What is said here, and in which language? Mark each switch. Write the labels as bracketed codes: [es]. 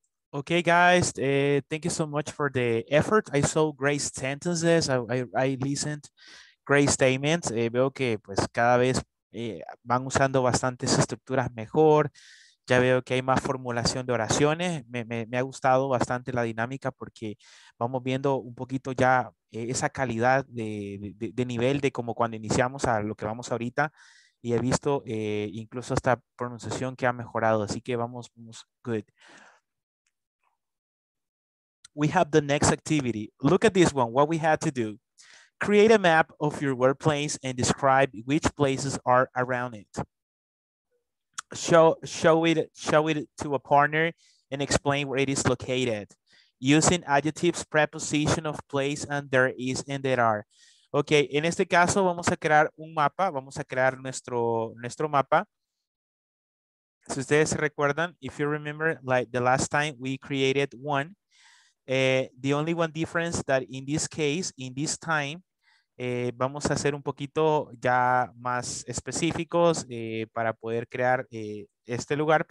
[en] Okay, guys, thank you so much for the effort. I saw great sentences. I listened great statements. [es] Veo que pues cada vez van usando bastantes estructuras mejor. Ya veo que hay más formulación de oraciones. Me ha gustado bastante la dinámica porque vamos viendo un poquito ya esa calidad de nivel de como cuando iniciamos a lo que vamos ahorita. Y he visto incluso esta pronunciación que ha mejorado. Así que vamos good. [en] We have the next activity. Look at this one, what we had to do. Create a map of your workplace and describe which places are around it. Show it to a partner and explain where it is located using adjectives, preposition of place, and there is and there are. [es] Okay, en este caso vamos a crear un mapa, vamos a crear nuestro mapa. Si ustedes se recuerdan, [en] if you remember, like the last time we created one, the only one difference that in this case, in this time, [es] vamos a ser un poquito ya más específicos para poder crear este lugar.